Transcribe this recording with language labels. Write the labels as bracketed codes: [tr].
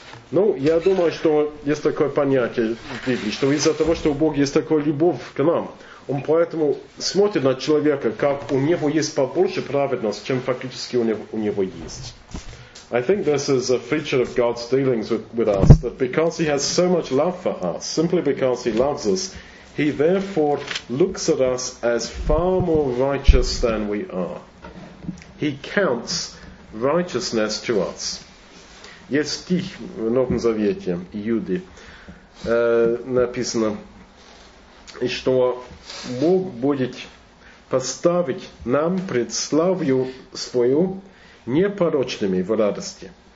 [ru] Ну, я думаю, что есть такое понятие в Библии, что из-за того, что у Бога есть такая любовь к нам, он поэтому смотрит на человека, как у него есть побольше праведности, чем фактически у него есть. [en] I think this is a feature of God's dealings with us, that because he has so much love for us, simply because he loves us, he therefore looks at us as far more righteous than we are. He counts righteousness to us. [ru] Есть стих в Новом Завете, Иуде, написано, что Бог будет поставить нам пред славью свою непорочными в радости.